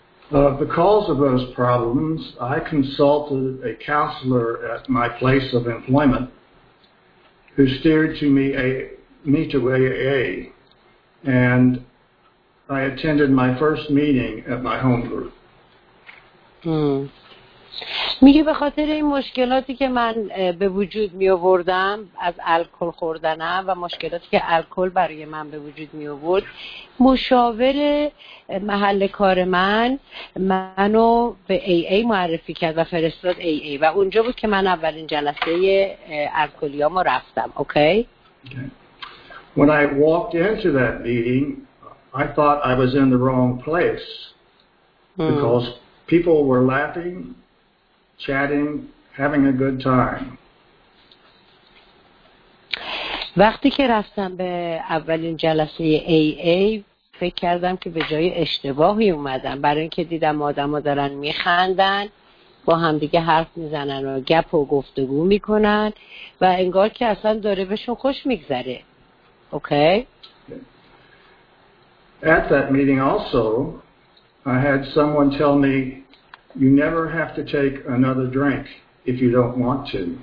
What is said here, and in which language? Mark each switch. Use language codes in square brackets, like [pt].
[en] Because of those problems, I consulted a counselor at my place of employment who steered to me to AA, and I attended my first meeting at my home group. [fa] میگه به خاطر این مشکلاتی که من به وجود می آوردم از الکل خوردنم و مشکلاتی که الکل برای من به وجود می آورد، مشاور محل کار من منو به AA معرفی کرد و فرستاد AA و اونجا بود که من اولین جلسه الکلیامو رفتم. [en] Okay? When I walked into that meeting, I thought I was in the wrong place because people were laughing, chatting, having a good time. [fa] وقتی که رفتم به اولین جلسه AA فکر کردم که به جای اشتباهی اومدم، برای اینکه دیدم آدم‌ها دارن می‌خندن، با همدیگه حرف می‌زنن و گپ و گفتگو می‌کنن و انگار که اصلا داره بهشون خوش می‌گذره. [en] Okay? At that meeting also, I had someone tell me, "You never have to take another drink if you don't want to.